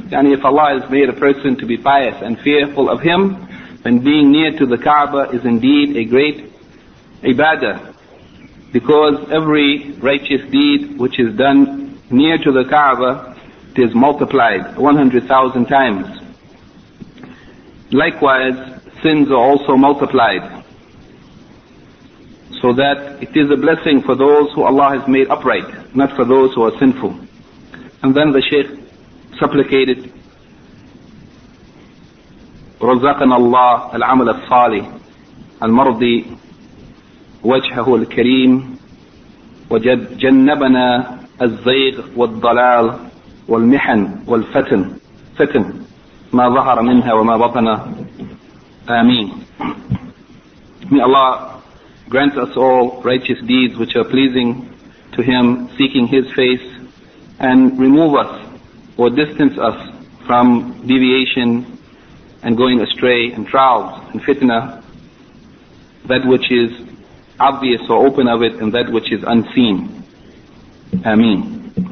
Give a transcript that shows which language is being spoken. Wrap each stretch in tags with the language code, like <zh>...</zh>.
<en>And if Allah has made a person to be pious and fearful of Him, then being near to the Kaaba is indeed a great ibadah, because every righteous deed which is done near to the Kaaba, it is multiplied 100,000 times. Likewise, sins are also multiplied, so that it is a blessing for those who Allah has made upright, not for those who are sinful. And then the Shaykh supplicated,</en> <ar>رَزَقَنَا اللَّهَ الْعَمَلَ الصَّالِحَ الْمَرْضِي وَجْهَهُ الْكَرِيمِ وَجَنَّبَنَا الزَّيْغَ وَالضَّلَالَ وَالْمِحَنَ وَالْفَتَنَ مَا ظَهَرَ مِنْهَا وَمَا بَطَنَا. آمين.</ar> <en>May Allah grant us all righteous deeds which are pleasing to Him, seeking His face, and remove us or distance us from deviation and going astray and trials and fitna, that which is obvious or open of it, and that which is unseen. Ameen.</en>